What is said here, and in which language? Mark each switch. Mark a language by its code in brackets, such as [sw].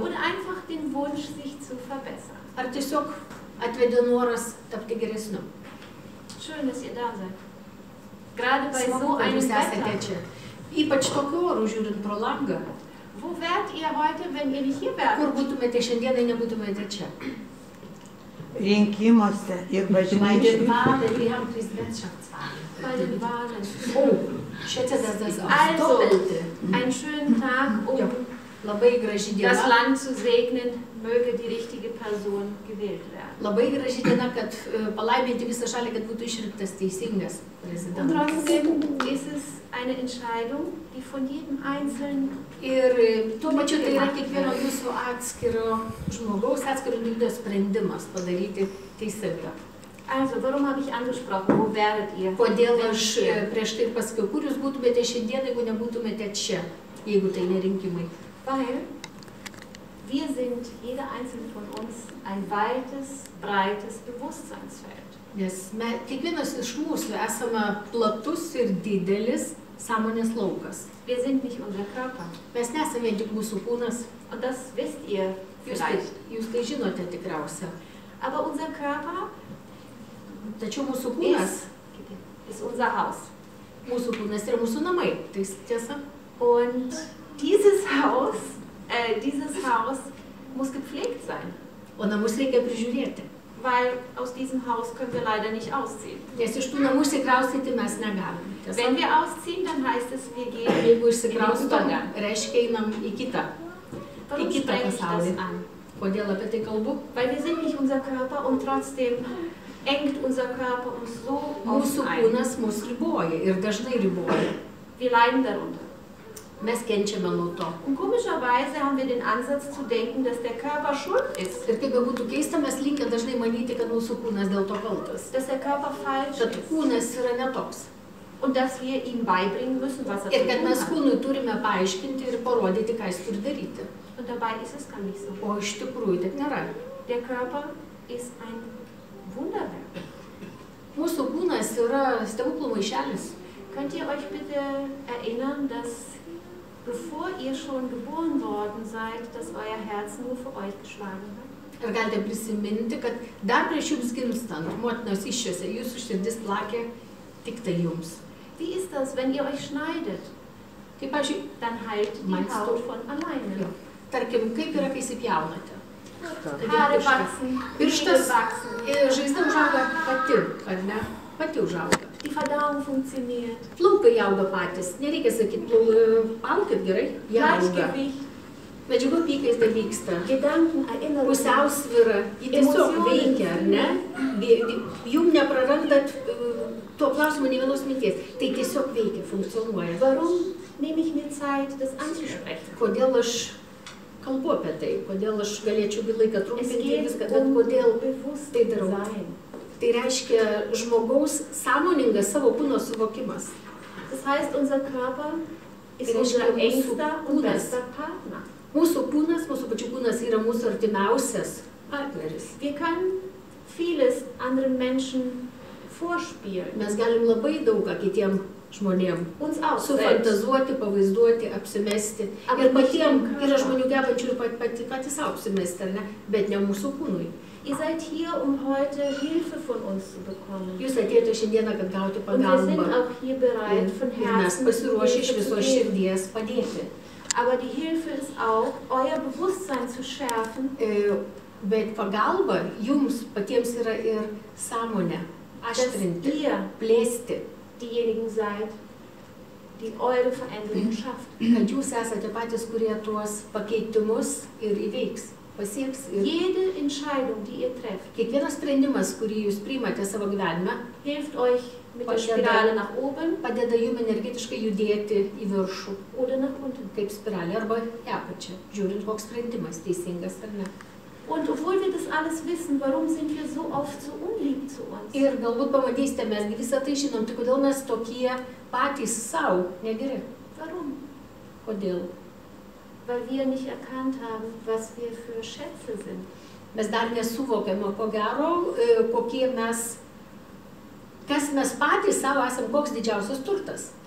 [de] Und einfach den Wunsch, sich zu verbessern. [lt] Ar tiesiog atvedė noras tapti geresniu. [de] Schön, dass ihr da seid. Gerade bei so einem Wetter. [lt] Ypač tokiu oru žiūrint pro langą. [de] Wo wärt ihr heute, wenn ihr nicht hier wärt? [lt] Kur būtumėte šiandieną, nebūtumėte čia? Rinkimuose ir bažnyčiose. [de] Bei den Wahlen, wir haben Präsidentschaftswahl. Bei den Wahlen. Oh, schätze, dass das auch so bitte. Also, einen schönen Tag, [lt] Labai graži diena. [de] Das Land zu segnen, möge die richtige Person gewählt werden. [lt] Labai graži diena, kad palaiminti visą šalį, kad būtų išrinktas teisingas prezidentas. [de] Und trotzdem ist es eine Entscheidung, die von jedem Einzelnen... [lt] Ir tuo pačiu tai yra kiekvieno jūsų atskiro žmogaus, atskiro individo sprendimas padaryti teisingą. [de] Also, warum habe ich angesprochen? Wo wäret ihr? [lt] Kodėl aš prieš tai pasakiau, kur jūs būtumėte šiandien, jeigu nebūtumėte čia, jeigu tai nerinkimai? [de] Weil wir sind, jeder einzelne von uns, ein weites, breites Bewusstseinsfeld. [lt] Nes kiekvienas iš mūsų esame platus ir didelis sąmonės laukas. [de] Wir sind nicht unser Körper. [lt] Mes nesame tik mūsų kūnas. [de] Und das wisst ihr vielleicht. [lt] Jūs tai žinote tikriausia. [de] Aber unser Körper [lt] tačiau mūsų kūnas [de] ist unser Haus. [lt] Mūsų kūnas yra mūsų namai. Tai tiesa. [de] Und dieses Haus muss gepflegt sein. Und dann muss [lt] reikia prižiūrėti. [de] Weil aus diesem Haus können wir leider nicht ausziehen. [lt] Nes iš tų namų išsikraustyti mes negalime. [de] Wenn wir ausziehen, dann heißt es, wir gehen in die Zukunft. [lt] Jeigu išsikraustome, reiškia, einam į kitą. [de] Warum spreche ich das an? [lt] Kodėl apie tai kalbu? [de] Weil wir sind nicht unser Körper und trotzdem engt unser Körper uns so auf ein. [lt] Mūsų kūnas mus riboja ir dažnai riboja. [de] Wir leiden darunter. [lt] Mes kenčiame nuo to. [de] Und komischerweise haben wir den Ansatz zu denken, dass der Körper schuld ist. [lt] Ir kaip būtų keista, mes linkę dažnai manyti, kad mūsų kūnas dėl to kaltas. [de] Dass der Körper falsch ist. [lt] Kad kūnas yra netoks. [de] Und dass wir ihm beibringen müssen, was er tut. [lt] Ir kad mes kūnui turime paaiškinti ir parodyti, ką jis turi daryti. [de] Und dabei ist es gar nicht so. [lt] O iš tikrųjų taip nėra. [de] Der Körper ist ein Wunderwerk. [lt] Mūsų kūnas yra stebuklų maišelis. [de] Könnt ihr euch bitte erinnern, dass bevor ihr schon geboren worden seid, dass euer Herz nur für euch geschlagen hat. [lt] Ar galite prisiminti, kad dar prieš jums gimstant, motinos iščiose, jūsų širdis plakė tik tai jums. [de] Wie ist das, wenn ihr euch schneidet? [lt] Kaip aš, [de] dann heilt die Haut von alleine. [lt] Jo. Tarkim, kaip yra, kai įsipjaunate? [de] Haare wachsen, [lt] pirštas, žaizda užauga pati, ar ne? Pati užauga. [de] Die Verdauung funktioniert. [lt] Plaukai auga patys. Nereikia sakyti, plaukit gerai. [de] Gleichgewicht. [lt] Medžiagų apykaita vyksta. [de] Gedanken erinnern. [lt] Pusiausvyra. Emocijos veikia, ar ne? Jum neprarandat tuo klausimu nei vienos minties. Tai tiesiog veikia, funkcionuoja. [de] Varum, nehme ich mir Zeit, das anzusprechen. [lt] Kodėl aš kalbu apie tai, kodėl aš galėčiau būti laiką trumpinti viską, bet kodėl tai darau. Tai reiškia žmogaus sąmoningas savo kūno suvokimas. [de] Das heißt, unser Körper ist unser engster und bester Partner. [lt] Mūsų kūnas, mūsų pačių kūnas yra mūsų artimiausias partneris. [de] Wir können vieles anderen Menschen vorspielen. [lt] Mes galim labai daugą kitiem žmonėm sufantazuoti, pavaizduoti, apsimesti. Ir patiem yra žmonių gebančių ir pati savo apsimesti, ne? Bet ne mūsų kūnui. [de] Ihr seid hier, um heute Hilfe von uns zu bekommen. [lt] Jūs atėjote šiandieną, kad gauti pagalbą. [de] Und wir sind auch hier bereit, von Herzen [lt] mes pasiruošę iš visos širdies padėti. [de] Aber die Hilfe ist auch, euer Bewusstsein zu schärfen. [lt] Bet pagalba jums patiems yra ir sąmonė aštrinti, [de] ihr [lt] plėsti. [de] Diejenigen seid, die eure Veränderung schafft. [lt] Kad jūs esate patys, kurie tuos pakeitimus ir įveiks, pasieks. Ir [de] jede Entscheidung, die ihr trefft. [lt] Kiekvienas sprendimas, kurį jūs priimate savo gyvenime, [de] hilft euch mit der Spirale nach oben, [lt] padeda jums energetiškai judėti į viršų. [de] Oder nach unten. [lt] Kaip spiralė arba į apačią, žiūrint, koks sprendimas teisingas ar ne. [de] Und obwohl wir das alles wissen, warum sind wir so oft so unlieb zu uns? [lt] Ir galbūt pamatysite, mes visą tai žinom, tai kodėl mes tokie patys sau negeri? [de] Warum? [lt] Kodėl? [de] Weil wir nicht erkannt haben, was wir für Schätze sind. [lt] Mes dar nesuvokėme, ko gero, kokie mes, kas mes patys sau esam, koks didžiausias turtas.